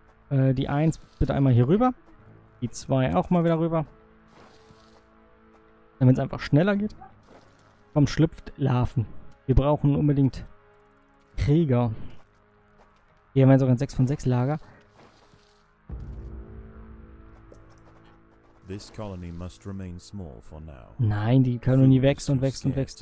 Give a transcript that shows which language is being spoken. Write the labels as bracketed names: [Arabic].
[German] Die 1 bitte einmal hier rüber, die 2 auch mal wieder rüber. Damit es einfach schneller geht. Komm, schlüpft Larven. Wir brauchen unbedingt Krieger. Hier haben wir sogar ein 6 von 6 Lager. [English] This colony must remain small for now. [German] Nein, die Kolonie wächst und wächst und wächst.